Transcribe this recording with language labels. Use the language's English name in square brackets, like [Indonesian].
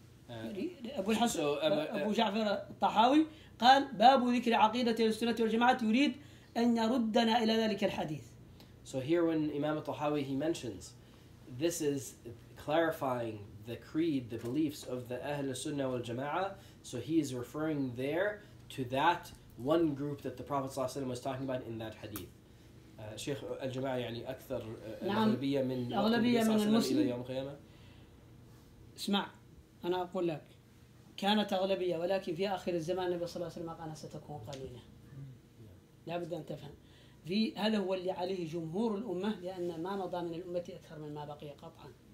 [Arabic] أبو جعفر الطحاوي قال باب ذكر عقيدة أهل السنة والجماعة يريد أن يردنا إلى ذلك الحديث. [English] So here when Imam al-Tahawi he mentions this is clarifying the creed, the beliefs of the Ahl Sunnah wal Jama'ah, so he is referring there to that one group that the Prophet ﷺ was talking about in that hadith. [Arabic] Sheikh al Jama'ah, يعني أكثر أغلبية من المسلمين إلى يوم القيامة. اسمع، أنا أقول لك، كانت أغلبية، ولكن في آخر الزمان النبي صلى الله عليه وسلم قال ستكون قليلة. لا بد أن تفهم. في هذا هو اللي عليه جمهور الأمة لأن ما مضى من الأمة أكثر من ما بقي قطعاً.